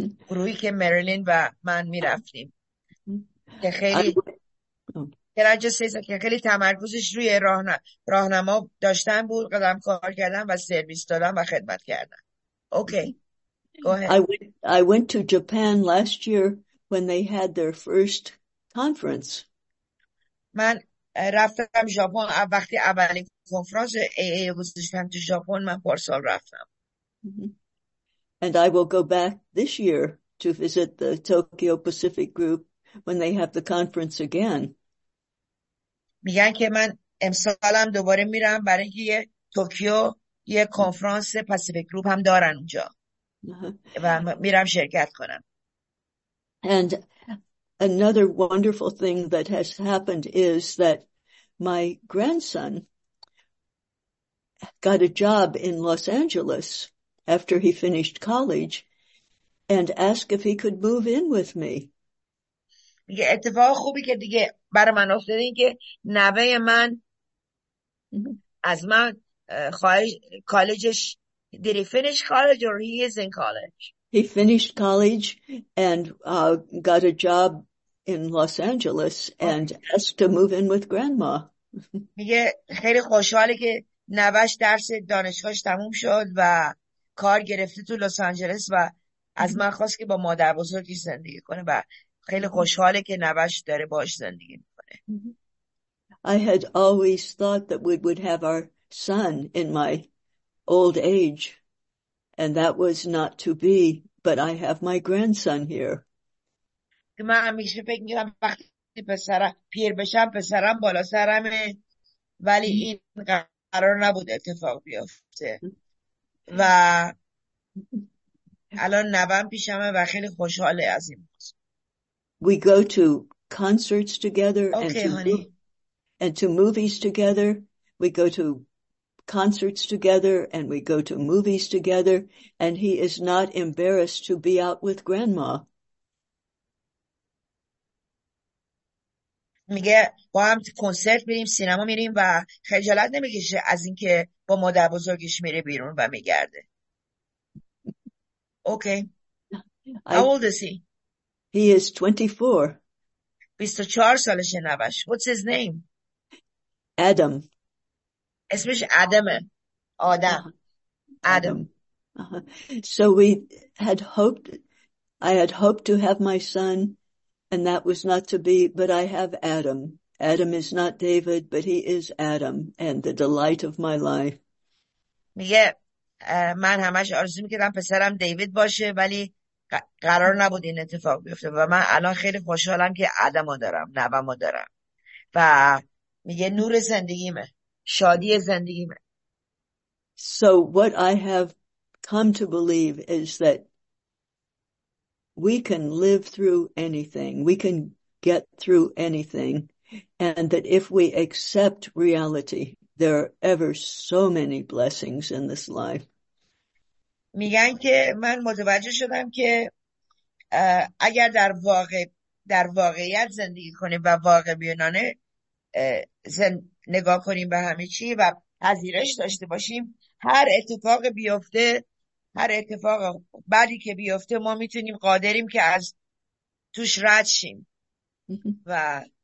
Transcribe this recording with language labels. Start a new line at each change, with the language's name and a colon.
Persian: گروهی که مریلین و من میرفتیم. که خیلی
English: Can I just say that
Persian: که خیلی تمرکزش روی راهنما داشتن بود قدم کار کردن و سرویس دادن و خدمت کردن.
English: Okay. Go ahead. I went to Japan last year when they had their first conference.
Persian: من رفتم ژاپن وقتی اولین کنفرانس AA گذاشتم تو ژاپن من پارسال رفتم.
English: And I will go back this year to visit the Tokyo Pacific Group when they have the conference again.
Persian: میگن که من امسالم دوباره میرم برای اینکه یه توکیو یه کنفرانس پاسیفیک گروپ هم دارن اونجا و میرم شرکت کنم.
English: And another wonderful thing that has happened is that my grandson got a job in Los Angeles after he finished college and asked if he could move in with me.
Persian: میگه اتفاق خوبی که دیگه برای من افتاده این که نوه من از من خواهش کالجش
English: did he finish college or he is in college. He finished college and got a job in Los Angeles and asked to move in with grandma.
Persian: میگه خیلی خوشحاله که نوش درس دانشگاهش تموم شد و کار گرفته تو لس آنجلس و از من خواست که با مادر بزرگی زندگی کنه و خیلی خوشحاله که نوش داره باش زندگی میکنه.
English: I had always thought that we would have our son in my old age, and that was not to be, but I have my grandson here.
Persian: من همیشه فکر میگم وقتی پسرم پیر بشم پسرم بالا سرمه ولی این قرار نبود اتفاق بیفته و الان نوام پیشمه و خیلی خوشحاله از این موضوع.
English: We go to concerts together and to movies together. We go to concerts together and we go to movies together. And he is not embarrassed to be out with grandma.
Persian: میگه با هم کنسرت میریم سینما میریم و خجالت نمیکشه از اینکه با مادر بزرگش میره بیرون و میگرده.
English: Okay. How old is he? He is 24.
Persian: 24 سالشه نوش.
English: What's his name? Adam.
Persian: اسمش آدمه. آدم. آدم.
English: So we had hoped, I had hoped to have my son, and that was not to be, but I have Adam. Adam is not David, but he is Adam, and the delight of my life.
Persian: میگه من همش آرزو میکردم پسرم دیوید باشه ولی قرار نبود این اتفاق بیفته و من الان خیلی خوشحالم که آدم رو دارم نوام رو دارم و میگه نور زندگیمه شادی زندگیمه.
English: So what I have come to believe is that we can live through anything, we can get through anything, and that if we accept reality, there are ever so many blessings in this life.
Persian: میگن که من متوجه شدم که اگر در واقع در واقعیت زندگی کنیم و واقع بینانه نگاه کنیم به همه چی و پذیرش داشته باشیم هر اتفاق بیفته هر اتفاق بعدی که بیفته ما میتونیم قادریم که از توش رد شیم و